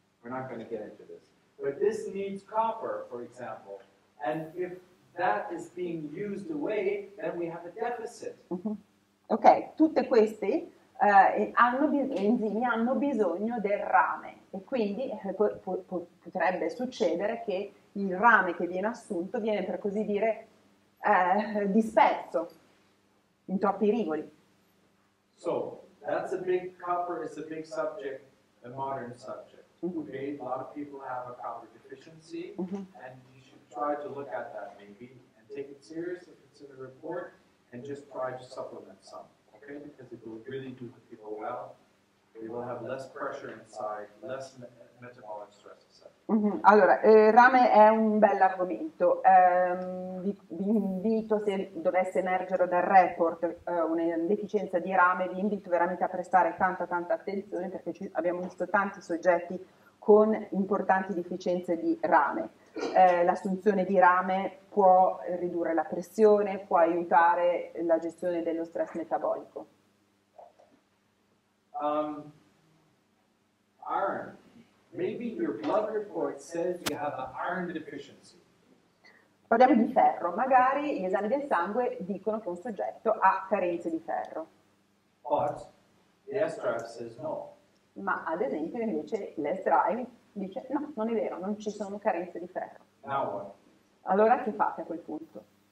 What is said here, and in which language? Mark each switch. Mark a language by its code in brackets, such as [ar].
[en] We're not going to get into this. But this needs copper, for example. And if that is being used away, then we have a deficit. Mm-hmm. [it] Ok, tutte queste enzimi hanno bisogno del rame e quindi potrebbe succedere che il rame che viene assunto viene, per così dire, disperso in troppi rivoli. [en] So, that's a big, copper is a big subject, a modern subject. Mm-hmm. Okay, a lot of people have a copper deficiency, mm-hmm. And try to look at that maybe and take it serious if it's in a report and just try to supplement some, okay? Because it will really do the people well. They will have less pressure inside, less metabolic stress, etc. Mm-hmm. [it] Allora, rame è un bel argomento. Vi invito, se dovesse emergere dal report una deficienza di rame, vi invito veramente a prestare tanta attenzione perché abbiamo visto tanti soggetti con importanti deficienze di rame. L'assunzione di rame può ridurre la pressione, può aiutare la gestione dello stress metabolico. [en] Iron. Maybe your blood report says you have an iron deficiency. [it] Parliamo di ferro. Magari gli esami del sangue dicono che un soggetto ha carenze di ferro. [en] But the S-drive says no. [it] Ma ad esempio invece l'S-drive dice no, non è vero, non ci sono carenze di ferro. [en] Now what? [it] Allora che fate a quel punto?